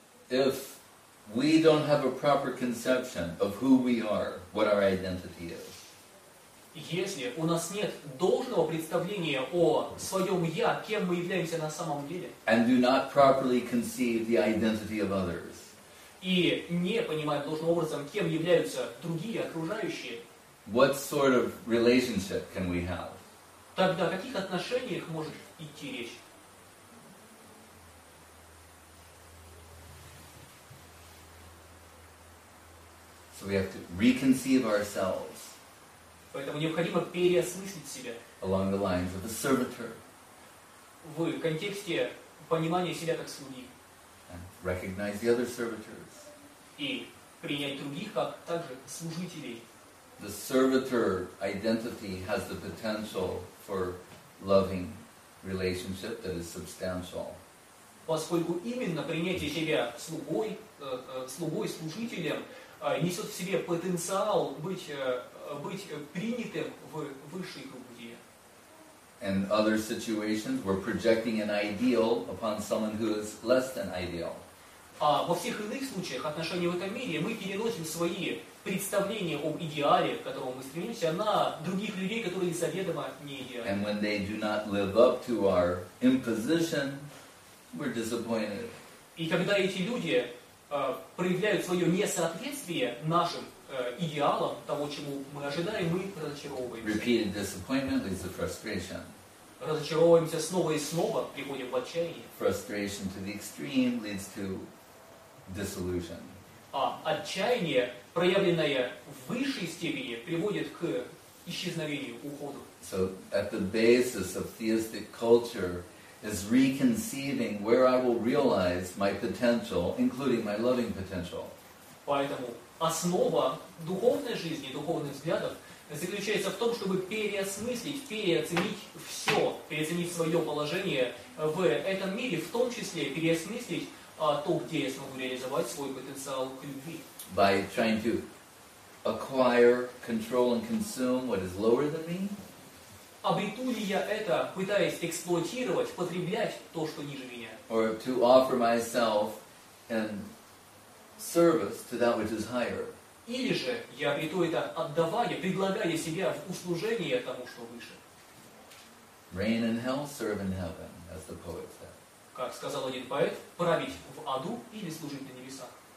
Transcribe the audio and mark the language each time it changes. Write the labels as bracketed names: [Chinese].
[English] If we don't have a proper conception of who we are, what our identity is. [Russian] Если у нас нет должного представления о своем «я», кем мы являемся на самом деле, [English] and do not properly conceive the identity of others, [Russian] и не понимаем должным образом, кем являются другие, окружающие, [English] what sort of relationship can we have? [Russian] Тогда о каких отношениях может идти речь? [English] So we have to reconceive ourselves. [Russian] Поэтому необходимо переосмыслить себя. [English] Along the lines of the servitor. [Russian] В контексте понимания себя как слуги. [English] And recognize the other servitors. [Russian] И принять других как также служителей. [English] The servitor identity has the potential for loving relationship that is substantial. [Russian] Поскольку именно принятие себя слугой, слугой, служителем, несет в себе потенциал быть принятым в высшей группе. [English] In other situations, we're projecting an ideal upon someone who is less than ideal. [Russian] А во всех иных случаях отношений в этом мире мы переносим свои представления об идеале, к которому мы стремимся, на других людей, которые заведомо не идеальны. [English] And when they do not live up to our imposition, we're disappointed. [Russian] И когда эти люди проявляют свое несоответствие нашим идеалам, того, чему мы ожидаем, мы разочаровываемся. [English] Repeated disappointment is the frustration. [Russian] Разочаровываемся снова и снова, приходим в отчаяние. [English] Frustration to the extreme leads to disillusion. [Russian] А отчаяние, проявленное в высшей степени, приводит к исчезновению, уходу. [English] So at the basis of theistic culture is reconceiving where I will realize my potential, including my loving potential. [Russian] Поэтому основа духовной жизни, духовных взглядов, заключается в том, чтобы переосмыслить, переоценить все, переоценить свое положение в этом мире, в том числе переосмыслить то, где я смогу реализовать свой потенциал к любви. [English] By trying to acquire, control and consume what is lower than me, [Russian] обрету ли я это, пытаясь эксплуатировать, потреблять то, что ниже меня? [English] Or to offer myself in service to that which is higher. [Russian] Или же я обрету это, отдавая, предлагая себя в услужение тому, что выше. [English] Reign in hell, serve in heaven, as the poet said. [Russian] Как сказал один поэт, править в аду или служить на небесах.